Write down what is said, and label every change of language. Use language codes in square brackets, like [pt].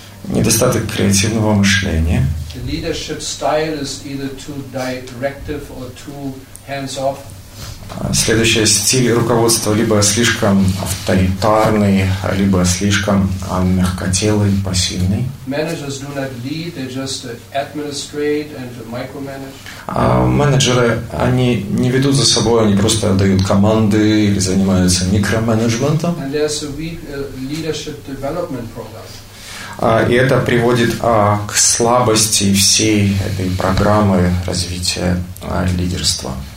[ru] Недостаток креативного мышления. [en] The leadership style is either too directive or too hands-off. [ru] следующий стиль руководства либо слишком авторитарный, либо слишком мягкотелый, пассивный. [en] Managers do not lead, they just administrate and micromanage. [ru] А менеджеры, они не ведут за собой, они просто отдают команды или занимаются микроменеджментом. [en] And there's a weak leadership development program. [ru] И это приводит к слабости всей этой программы развития лидерства.